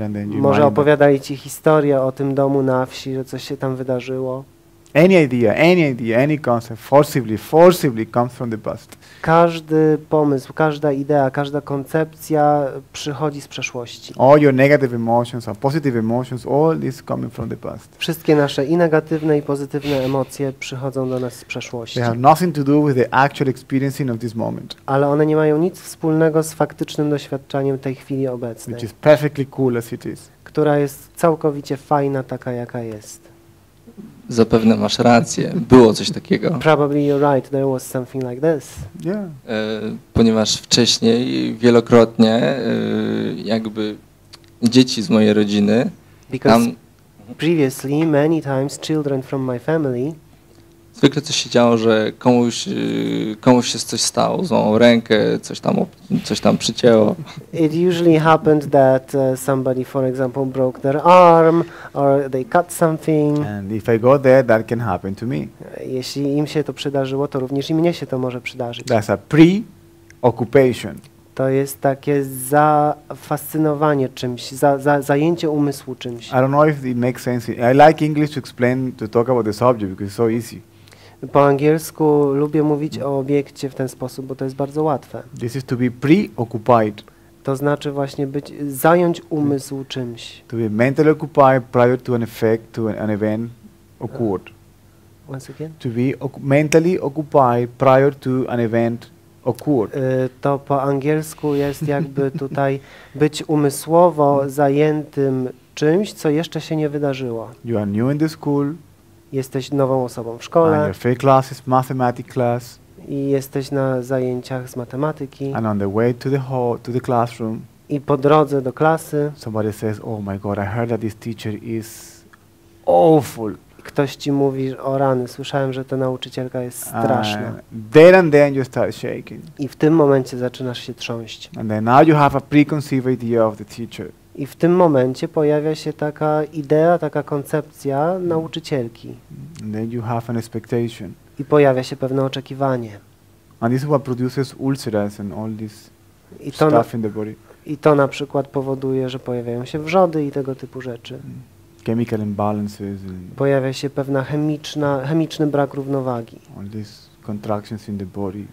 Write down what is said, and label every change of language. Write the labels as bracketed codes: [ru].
[pl] Może opowiadali ci historię o tym domu na wsi, że coś się tam wydarzyło. [en] Any concept, forcibly comes from the past. [pl] Każdy pomysł, każda idea, każda koncepcja przychodzi z przeszłości. [en] All your negative emotions and positive emotions, all this coming from the past. [pl] Wszystkie nasze i negatywne i pozytywne emocje przychodzą do nas z przeszłości. [en] They have nothing to do with the actual experiencing of this moment. [pl] Ale one nie mają nic wspólnego z faktycznym doświadczaniem tej chwili obecnej. [en] Which is perfectly cool as it is. [pl] Która jest całkowicie fajna taka jaka jest. Zapewne masz rację. Było coś takiego. [en] Probably you're right. There was something like this. Yeah. [pl] Ponieważ wcześniej wielokrotnie jakby dzieci z mojej rodziny [en] previously many times children from my family. [pl] Zwykle coś się działo, że komuś się coś stało, złamał rękę, coś tam przycięło. [en] It usually happened that somebody, for example, broke their arm or they cut something. And if I go there, that can happen to me. [pl] Jeśli im się to przydarzyło, to również i mnie się to może przydarzyć. [en] That's a preoccupation. [pl] To jest takie zafascynowanie czymś, zajęcie umysłu czymś. [en] I don't know if it makes sense. I like English to explain, to talk about the subject because it's so easy. [pl] Po angielsku lubię mówić o obiekcie w ten sposób, bo to jest bardzo łatwe. [en] This is to be preoccupied. [pl] To znaczy właśnie być, zająć umysł czymś. [en] To be mentally occupied prior to an effect, to an event occurred. Once again. To be mentally occupied prior to an event occurred. [pl] To po angielsku jest jakby tutaj być umysłowo zajętym czymś, co jeszcze się nie wydarzyło. [en] You are new in the school. [pl] Jesteś nową osobą w szkole. [en] And your free class is mathematic class. [pl] I jesteś na zajęciach z matematyki. [en] And on the way to the hall, to the classroom. [pl] I po drodze do klasy. [en] Somebody says, oh my god, I heard that this teacher is awful. [pl] Ktoś ci mówi, o rany, słyszałem, że ta nauczycielka jest straszna. [en] Then and then you start shaking. [pl] I w tym momencie zaczynasz się trząść. [en] And then now you have a preconceived idea of the teacher. [pl] I w tym momencie pojawia się taka idea, taka koncepcja nauczycielki. [en] And then you have an expectation. [pl] I pojawia się pewne oczekiwanie. [en] And this is what produces ulcers and all this stuff in the body. [pl] I to na przykład powoduje, że pojawiają się wrzody i tego typu rzeczy. [en] Chemical imbalances. [pl] Pojawia się pewna chemiczny brak równowagi. [en] All these contractions in the body.